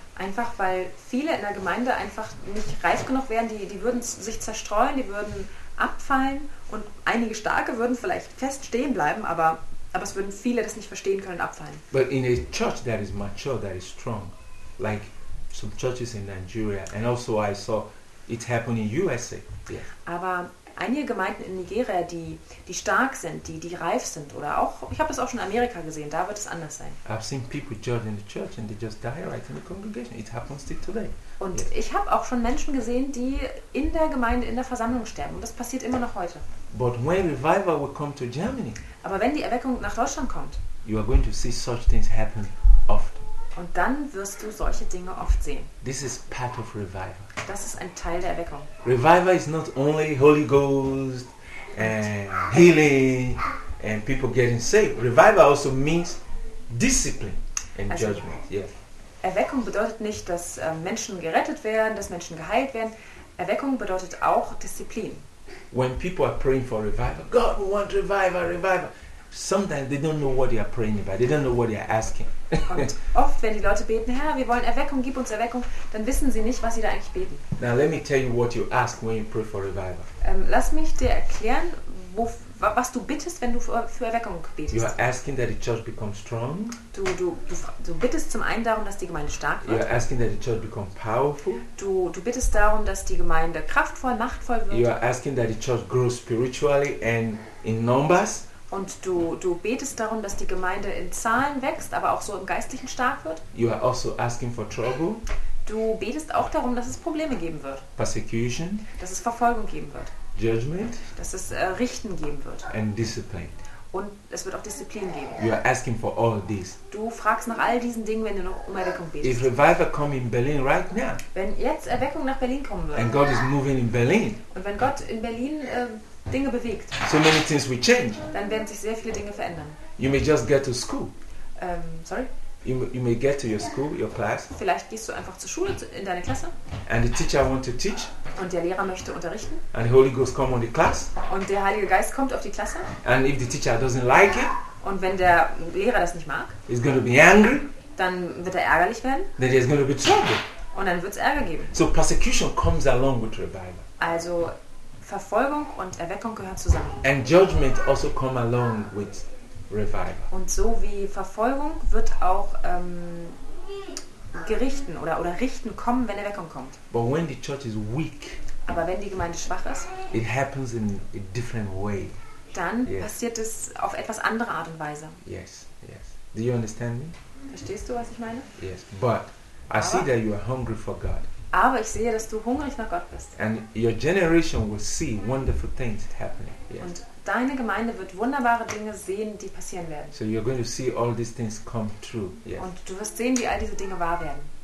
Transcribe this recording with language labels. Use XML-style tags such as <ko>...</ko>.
<de>Einfach weil viele in der Gemeinde einfach nicht reif genug wären, die würden sich zerstreuen, die würden abfallen und einige starke würden vielleicht fest stehen bleiben, aber es würden viele das nicht verstehen können und abfallen.</de> <en>But in a church that is mature, that is strong, like some churches in Nigeria and also I saw it happen in USA. Yeah.</en> <de>Aber einige Gemeinden in Nigeria, die stark sind, die reif sind oder auch, ich habe das auch schon in Amerika gesehen, da wird es anders sein.</de> <en>I've seen people judge in the church and they just die right in the congregation. It happens still today.</en> <de>Und yeah. Ich habe auch schon Menschen gesehen, die in der Gemeinde, in der Versammlung sterben. Und das passiert immer noch heute.</de> <en>But when revival will come to Germany,</en> <de>aber wenn die Erweckung nach Deutschland kommt,</de> <en>you are going to see such things happen</en> <de>oft. Und dann wirst du solche Dinge oft sehen.</de> <en>This is part of revival.</en> <de>Das ist ein Teil der Erweckung.</de> <en>Revival is not only Holy Ghost and healing and people getting saved. Revival also means discipline and also judgment. Yeah.</en> <de>Erweckung bedeutet nicht, dass Menschen gerettet werden, dass Menschen geheilt werden. Erweckung bedeutet auch Disziplin.</de> <en>When people are praying for revival, God, we want revival, revival. Sometimes they don't know what they are praying about. They don't know what they are asking.</en> <de>Und oft, wenn die Leute beten, Herr, wir wollen Erweckung, gib uns Erweckung, dann wissen sie nicht, was sie da eigentlich beten.</de> <en>Now let me tell you what you ask when you pray for revival.</en> <de>Lass mich dir erklären, was du bittest, wenn du für Erweckung betest.</de> <en>You are asking that the church become strong.</en> <de>Du bittest zum einen darum, dass die Gemeinde stark wird.</de> <en>You are asking that the church become powerful.</en> <de>Du bittest darum, dass die Gemeinde kraftvoll, machtvoll wird.</de> <en>You are asking that the church grows spiritually and in numbers.</en> <de>Und du betest darum, dass die Gemeinde in Zahlen wächst, aber auch so im Geistlichen stark wird.</de> <en>You are also asking for trouble.</en> <de>Du betest auch darum, dass es Probleme geben wird.</de> <en>Persecution.</en> <de>Dass es Verfolgung geben wird.</de> <en>Judgment.</en> <de>Dass es Richten geben wird.</de> <en>And discipline.</en> <de>Und es wird auch Disziplin geben.</de> <en>You are asking for all these.</en> <de>Du fragst nach all diesen Dingen, wenn du noch um Erweckung betest.</de> <en>If revival come in Berlin right now.</en> <de>Wenn jetzt Erweckung nach Berlin kommen würde.</de> <en>And God is moving in Berlin.</en> <de>Und wenn Gott in Berlin Dinge bewegt.</de> <en>So many things will change.</en> <de>Dann werden sich sehr viele Dinge verändern.</de> <en>You may just get to school. Sorry? You may get to your school, your class.</en> <de>Vielleicht gehst du einfach zur Schule in deine Klasse.</de> <en>And the teacher want to teach.</en> <de>Und der Lehrer möchte unterrichten.</de> <en>And the Holy Ghost come on the class.</en> <de>Und der Heilige Geist kommt auf die Klasse.</de> <en>And if the teacher doesn't like it.</en> <de>Und wenn der Lehrer das nicht mag.</de> <en>He's going to be angry.</en> <de>Dann wird er ärgerlich werden.</de> <en>Then there's going to be trouble.</en> <de>Und dann wird es Ärger geben.</de> <en>So persecution comes along with revival.</en> <de>Also Verfolgung und Erweckung gehören zusammen.</de> <en>And judgment also come along with revival.</en> <de>Und so wie Verfolgung wird auch Gerichten oder Richten kommen, wenn Erweckung kommt.</de> <en>But when the church is weak,</en> <de>aber wenn die Gemeinde schwach ist,</de> <en>it happens in a different way.</en> <de>Dann yes. Passiert es auf etwas andere Art und Weise.</de> <en>Yes, yes. Do you understand me?</en> <de>Verstehst du, was ich meine?</de> <en>Yes, but I see that you are hungry for God.</en> <de>Aber ich sehe, dass du hungrig nach Gott bist.</de> <en>And your generation will see wonderful things happening. Yes.</en> <de>Und deine Gemeinde wird wunderbare Dinge sehen, die passieren werden.</de> <en>So you're going to see all these things come true. Yes.</en> <de>Und du wirst sehen, wie all diese Dinge wahr werden.</de>